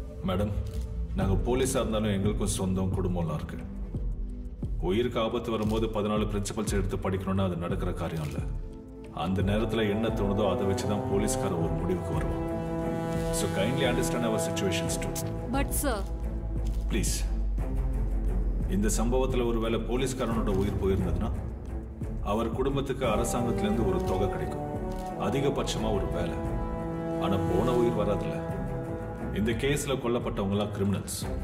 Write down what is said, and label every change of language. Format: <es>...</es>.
<ta>Madam, நாங்க போலீஸா இருந்தாலும் எங்களுக்கும் சொந்தம் குடும்பம்லாம் இருக்கு. உயிருக்கு ஆபத்து வரும்போது 14 பிரின்சிபல்ஸ் எடுத்து படிக்கணும்னா அது நடக்கிற காரியம் இல்ல. அந்த நேரத்துல என்ன தோணுதோ அதை வச்சுதான் போலீஸ்கார ஒரு முடிவுக்கு வருவோம்.</ta> <en>So kindly understand our situations too. But sir,</en> <ta>please, இந்த சம்பவத்துல ஒருவேளை போலீஸ்காரனோட உயிர் போயிருந்ததுன்னா அவர் குடும்பத்துக்கு அரசாங்கத்தில இருந்து ஒரு தொகை கிடைக்கும், அதிகபட்சமா ஒரு வேலை. ஆனா போன உயிர் வராதுல. இந்த கேஸ்ல கொல்லப்பட்டவங்களா கிரிமினல்ஸ்.</ta>